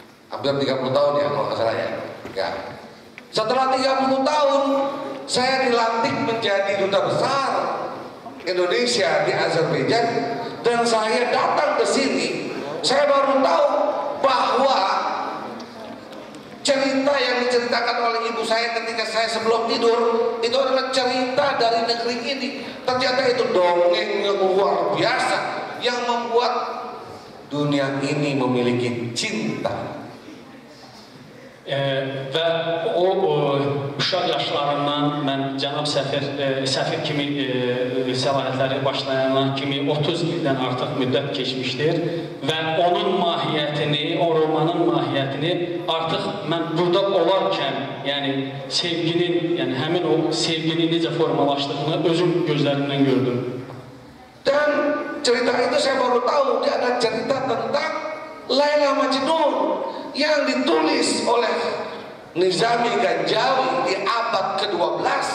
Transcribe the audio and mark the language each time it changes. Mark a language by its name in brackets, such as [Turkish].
[Indonesian] Hampir 30 tahun ya kalau enggak salah ya. Ya. Setelah 30 tahun saya dilantik menjadi duta besar Indonesia di Azerbaijan dan saya datang ke sini, saya baru tahu bahwa cerita yang diceritakan oleh ibu saya ketika saya sebelum tidur itu adalah cerita dari negeri ini. Ternyata itu dongeng yang luar biasa yang membuat dunia ini memiliki cinta. [Azerbaijani] Və o uşaq yaşlarından mən cənab səfir kimi səlahiyyətləri başlayandan kimi 30 ildən artıq müddət keçmişdir və onun mahiyyətini, o romanın mahiyyətini artıq mən burada olarkən, yəni sevginin, yəni həmin o sevginin necə formalaşdığını özüm gözlərimdən gördüm. [Indonesian] Dan cerita itu saya baru tahu dia ada cerita tentang Layla Majnun yang ditulis oleh Nizami Ganjawi di abad ke-12.